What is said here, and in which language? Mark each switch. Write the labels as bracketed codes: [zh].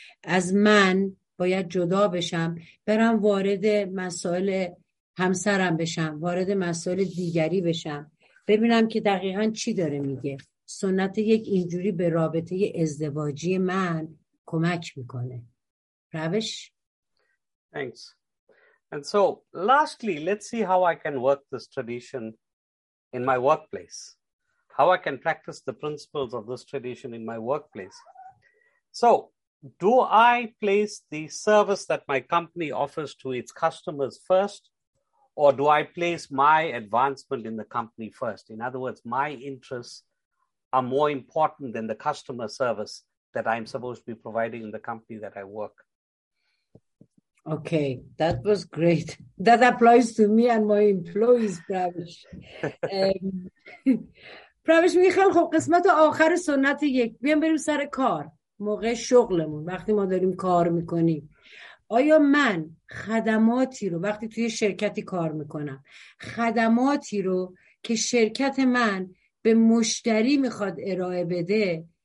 [fa] از من باید جدا بشم، برم وارد مسائل همسرم بشم، وارد مسائل دیگری بشم، ببینم که دقیقاً چی داره میگه. سنت یک اینجوری به رابطه ازدواجی من کمک میکنه. روش؟ [en] Thanks. And so lastly, let's see how I can work this tradition in my workplace. How I can practice the principles of this tradition in my workplace. So, do I place the service that my company offers to its customers first, or do I place my advancement in the company first? In other words, my interests are more important than the customer service that I'm supposed to be providing in the company that I work. Okay, that was great. That applies to me and my employees, Pravish. [fa] پروش میگه خیلی خوب، قسمت آخر سنت یک، بیام بریم سر کار. موقع شغلمون، وقتی ما داریم کار میکنیم، آیا من خدماتی رو وقتی توی شرکتی کار میکنم، خدماتی رو که شرکت من به مشتری میخواد ارائه بده،